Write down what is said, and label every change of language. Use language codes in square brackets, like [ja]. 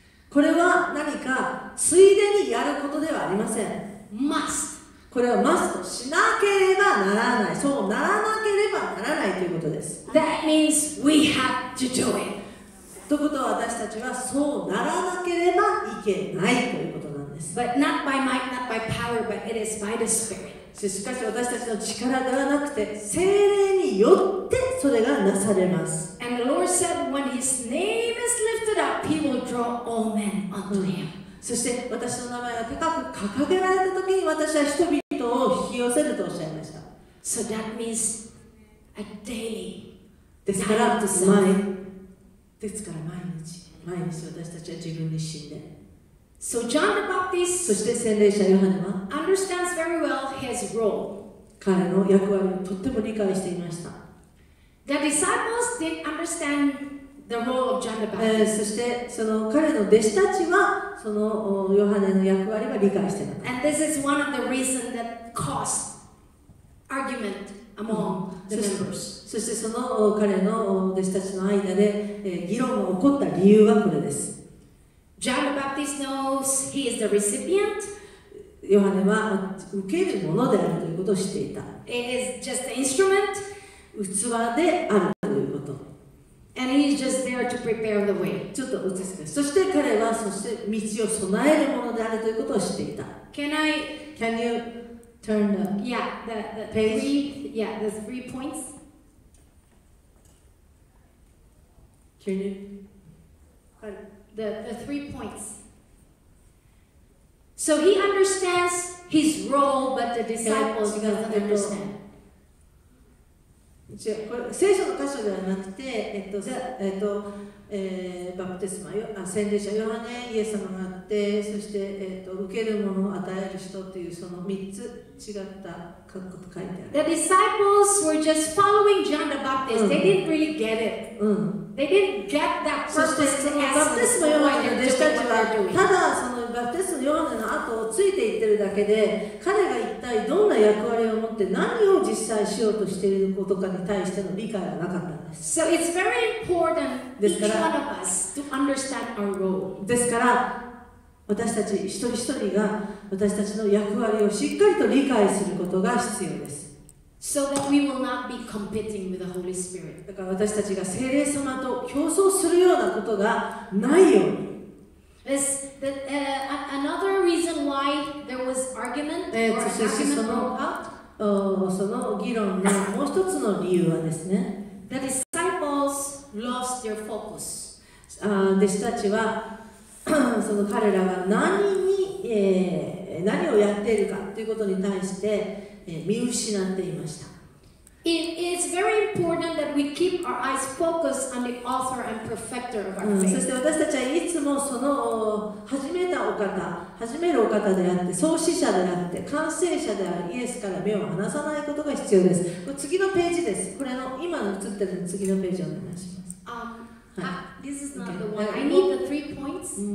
[ja] これは何かついでにやることではありません [en] Must. [ja] これは must しなければならないそうならなければならないということです [en] That means we have to do it. [ja] ということは私たちはそうならなければいけないということです [en] But not by might, not by power, but it is by the Spirit. [ja] しかし私たちの力ではなくて聖霊によってそれがなされます。 [en] And the Lord said, when His name is lifted up, He will draw draw all men unto him. [ja] そして私の名前が高く掲げられた時に私は人々を引き寄せるとおっしゃいました。 [en] So that means a daily. [ja] ですから毎ですから毎日毎日私たちは自分に死んで。 [en] So John the Baptist. [ja] そして洗礼者ヨハネは [en] understands very well his role. [ja] 彼の役割をとっても理解していました。 [en] The disciples did understand the role of John the Baptist. [ja] そしてその彼の弟子たちはそのヨハネの役割は理解していた。 [en] And this is one of the reasons that caused argument among the members. [ja] そしてその彼の弟子たちの間で議論が起こった理由はこれです。 [en] John the Baptist knows he is the recipient. [ja] ヨハネは受けるものであるということを知っていた。 [en] It is just an instrument. [ja] 器であるということ。 [en] And he is just there to prepare the way. [ja] ちょっと落ち着いて。そして彼はそして道を備えるものであるということを知っていた。 [en] Can you turn the page? The three points. Can you? The three points. So he understands his role, but the disciples doesn't understand. [ja] 違う、これ聖書の箇所ではなくて、バプテスマ、洗礼者ヨハネ、イエス様があって、そして、受けるものを与える人というその3つ違った書くこと書いてある。 [en] The disciples were just following John the Baptist. They didn't really get it. They didn't get that purpose. [ja] そしてそのバプテスマヨハネの弟子たちはただそのバプテスマヨハネの後をついていってるだけで、彼が一体どんな役割を持って何を実際しようとしていることかに対しての理解はなかったんです。 [en] So it's very important each one of us to understand our role. [ja] ですから私たち一人一人が私たちの役割をしっかりと理解することが必要です。 [en] So that we will not be competing with the Holy Spirit. [ja] だから私たちが聖霊様と競争するようなことがないように。 [en] This another reason why there was argument or argument [ja] その議論のもう一つの理由はですね。 [en] The disciples lost their focus. [ja] 弟子たちはその彼らが何をやっているかということに対して。見失っていました。 [en] It is very important that we keep our eyes focused on the author and perfecter of our faith. [ja] そして私たちはいつもその始めたお方、始めるお方であって、創始者であって、完成者であるイエスから目を離さないことが必要です。次のページです。これの今の写ってる次のページをお願いします。 [en] This is not the one. I need the three points.